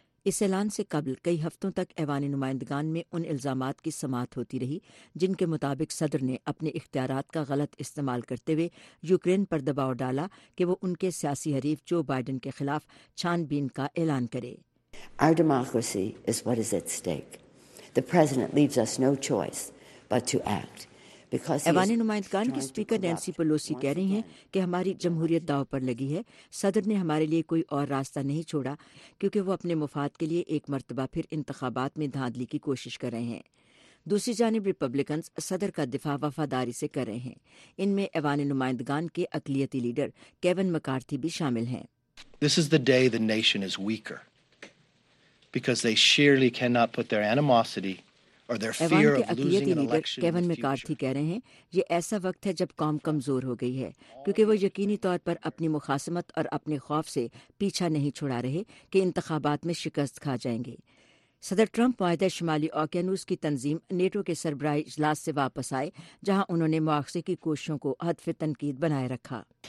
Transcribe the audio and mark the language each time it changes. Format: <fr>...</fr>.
<ur>اس اعلان سے قبل کئی ہفتوں تک ایوان نمائندگان میں ان الزامات کی سماعت ہوتی رہی جن کے مطابق صدر نے اپنے اختیارات کا غلط استعمال کرتے ہوئے یوکرین پر دباؤ ڈالا کہ وہ ان کے سیاسی حریف جو بائیڈن کے خلاف چھان بین کا اعلان کرے.</ur> <en>Our democracy is what is at stake. The president leaves us no choice but to act.</en> <ur>ایوانی نمائندگان کی اسپیکر نینسی پلوسی کہہ رہی ہیں کہ ہماری جمہوریت داؤ پر لگی ہے, صدر نے ہمارے لیے کوئی اور راستہ نہیں چھوڑا کیونکہ وہ اپنے مفاد کے لیے ایک مرتبہ پھر انتخابات میں دھاندلی کی کوشش کر رہے ہیں. دوسری جانب ریپبلکنز صدر کا دفاع وفاداری سے کر رہے ہیں. ان میں ایوان نمائندگان کے اقلیتی لیڈر کیون مکارتھی بھی شامل ہیں.</ur> <en>This is the day the nation is weaker because they surely cannot put their animosity or their fear of losing an election.</en> <ur>اقلیتی لیڈر کیون مکارتھی کہہ رہے ہیں یہ ایسا وقت ہے جب قوم کمزور ہو گئی ہے کیونکہ وہ یقینی طور پر اپنی مخاصمت اور اپنے خوف سے پیچھا نہیں چھوڑا رہے کہ انتخابات میں شکست کھا جائیں گے. صدر ٹرمپ معاہدہ شمالی اوکیانوس کی تنظیم نیٹو کے سربراہی اجلاس سے واپس آئے جہاں انہوں نے مواخذے کی کوششوں کو حتف تنقید بنائے رکھا.</ur>